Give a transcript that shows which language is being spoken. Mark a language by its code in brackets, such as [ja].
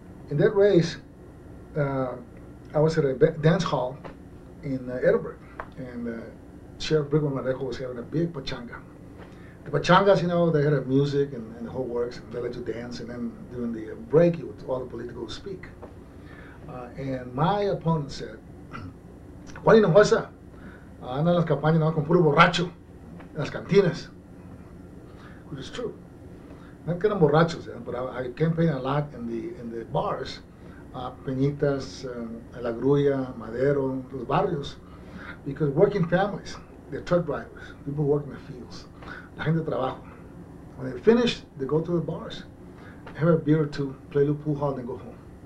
[en] In that race, I was at a dance hall in Edinburgh, and Sheriff Brickman Malejo was having a big pachanga. The pachangas, you know, they had a music and the whole works, and they let you dance, and then during the break, you would all the political speak. And my opponent said, [es] ¿Cuál Hinojosa? Anda en las campañas, no, con puro borracho, en las cantinas. [en] Which is true. Not kind of borrachos, but I campaigned a lot in the bars. [es] Peñitas, La Grulla, Madero, los barrios. [en] Because working families, the truck drivers, people work in the fields, [es] la gente de trabajo. [en] When they finish, they go to the bars, have a beer or two, play a little pool hall, then go home.